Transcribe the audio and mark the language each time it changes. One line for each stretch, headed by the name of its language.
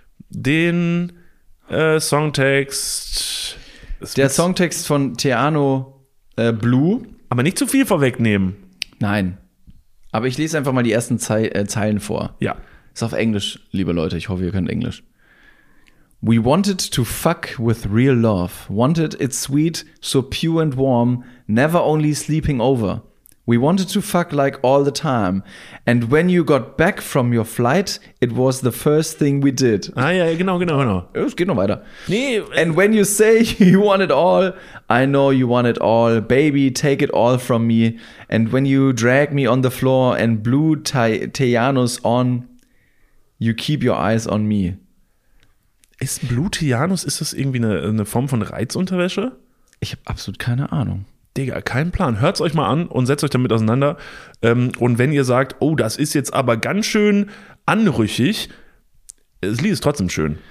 German: Den Songtext. Der Songtext von Tejano Blue. Aber nicht zu viel vorwegnehmen. Nein. Aber ich lese einfach mal die ersten Zeilen vor. Ja. Ist auf Englisch, liebe Leute. Ich hoffe, ihr könnt Englisch.
English: We wanted to fuck with real love. Wanted it sweet, so pure and warm. Never only sleeping over. We wanted to fuck like all the time. And when you got back from your flight, it was the first thing we did.
German: Ah ja, genau. Es geht noch weiter. Nee.
English: And when you say you want it all, I know you want it all. Baby, take it all from me. And when you drag me on the floor and blue Tejanos on, you keep your eyes on me.
German: Ist blue Tejanos, ist das irgendwie eine Form von Reizunterwäsche? Ich habe absolut keine Ahnung. Digga, kein Plan. Hört es euch mal an und setzt euch damit auseinander. Und wenn ihr sagt, oh, das ist jetzt aber ganz schön anrüchig, das Lied ist trotzdem schön.